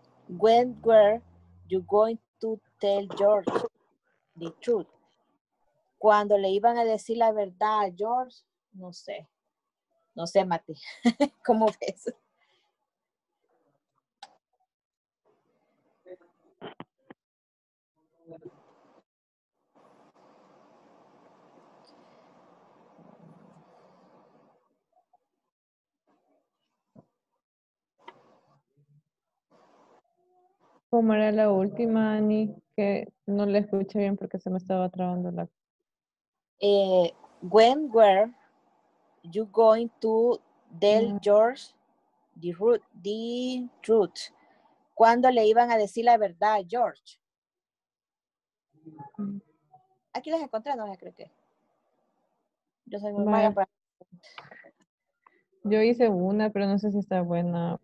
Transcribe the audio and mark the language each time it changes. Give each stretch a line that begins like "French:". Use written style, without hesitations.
English: When were you going to tell George the truth?
Spanish: Cuando le iban a decir la verdad a George, no sé. No sé, Mati. ¿Cómo ves? ¿Cómo era la última, Ani? Que no la escuché bien porque se me estaba trabando la...
English: When were you going to tell George the truth?
Spanish: ¿Cuándo le iban a decir la verdad a George? Aquí las encontré, no creo que... Yo soy muy mala para... Yo hice una, pero no sé si está buena.